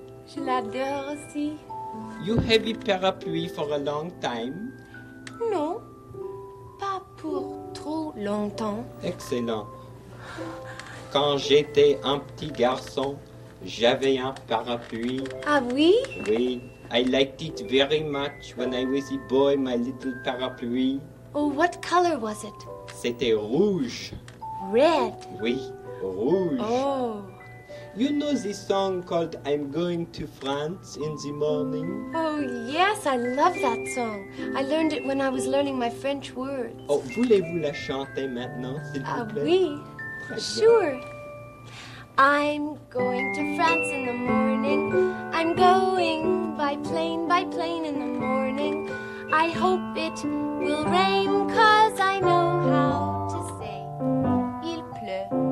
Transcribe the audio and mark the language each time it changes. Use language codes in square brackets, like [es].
[fr] Je l'adore aussi. [en] You have a parapluie for a long time? [fr] Non, pas pour trop longtemps. Excellent. Quand j'étais un petit garçon, j'avais un parapluie. Ah oui? Oui. [en] I liked it very much when I was a boy, my little parapluie. Oh, what color was it? [fr] C'était rouge. [en] Red. [fr] Oui, rouge. Oh. [en] You know the song called I'm Going to France in the Morning? Oh, yes, I love that song. I learned it when I was learning my French words. [fr] Oh, voulez-vous la chanter maintenant, s'il vous plaît? Ah, oui, [en] sure. I'm going to France in the morning. I'm going by plane in the morning. I hope it will rain, 'cause I know how to say [fr] il pleut.